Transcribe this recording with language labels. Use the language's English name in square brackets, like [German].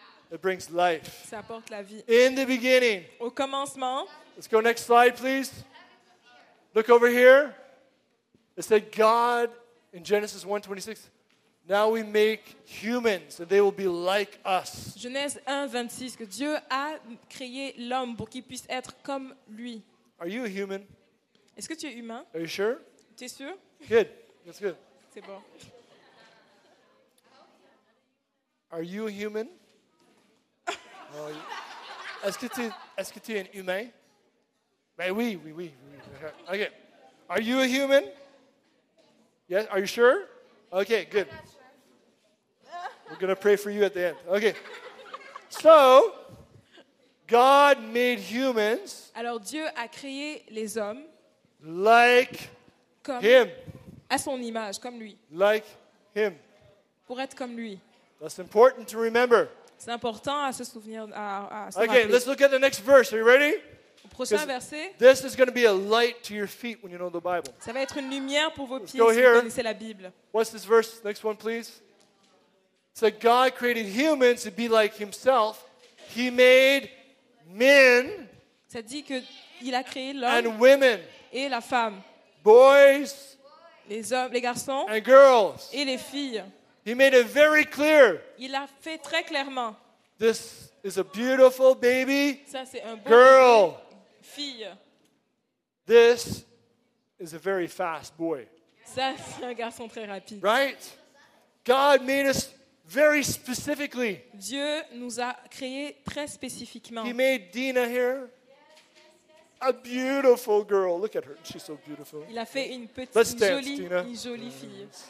[English] It brings life. [French] Ça apporte la vie. [English] In the beginning. [French] Au commencement. [English] Let's go next slide, please. Look over here. It said God in Genesis 1:26. Now we make humans and they will be like us. [French] Genèse 1, 26, que Dieu a créé l'homme pour qu'il puisse être comme lui. [English] Are you a human? [French] Est-ce que tu es humain? [English] Are you sure? [French] Tu es sûr? [English] Good. That's good. [French] C'est bon. [English] Are you a human? [French] Oh, est-ce que tu es un humain? Ben oui, oui, oui, oui. [English] Okay. Are you a human? Yes. Are you sure? Okay, good. We're going to pray for you at the end. Okay. So, God made humans. [French] Alors Dieu a créé les hommes. [English] Like [French] comme [English] him. [French] À son image, comme lui. [English] Like him. [French] Pour être comme lui. [English] That's important to remember. [French] C'est important à se souvenir, à se [English] okay, [French] rappeler. [English] Let's look at the next verse. Are you ready? [French] Au prochain verset. [English] This is going to be a light to your feet when you know the Bible. [French] Ça va être une lumière pour vos pieds si vous connaissez la Bible. [English] What's this verse? Next one, please. So God created humans to be like himself. He made men. [French] Ça dit que il a créé l'homme [English] and women. [French] Et la femme. [English] Boys. [French] Les hommes, les garçons. [English] And girls. [French] Et les filles. [English] He made it very clear. [French] Il a fait très clairement. [English] This is a beautiful baby. [French] Ça, c'est un beau [English] girl. [French] Bébé, fille. [English] This is a very fast boy. [French] Ça, c'est un garçon très rapide. [English] Right? God made us very specifically. [French] Dieu nous a créé très spécifiquement. [English] He made Dina here. A beautiful girl. Look at her. She's so beautiful. [French] Il a fait une petite jolie fille.